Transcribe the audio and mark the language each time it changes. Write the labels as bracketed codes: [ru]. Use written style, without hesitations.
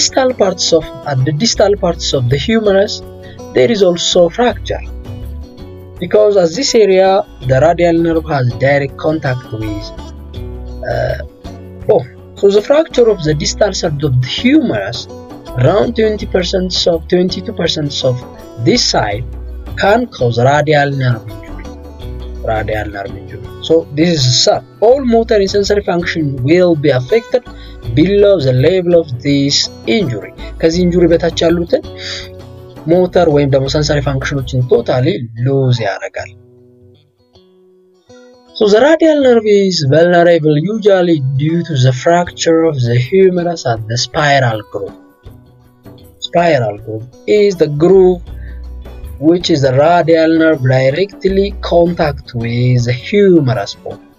[en] At the distal parts of the humerus there is also fracture, because at this area the radial nerve has direct contact with so the fracture of the distal side of the humerus around 22% of this side can cause radial nerve injury. Radial nerve injury. So this is sad. All motor and sensory function will be affected below the level of this injury. [am] ከዚህ injury በታች ያሉት motor ወይም ደግሞ sensory functionsን [en] totally lose [am] ያደርጋል. [en] So the radial nerve is vulnerable usually due to the fracture of the humerus at the spiral groove. Spiral groove is the groove which is the radial nerve directly contact with the humerus bone.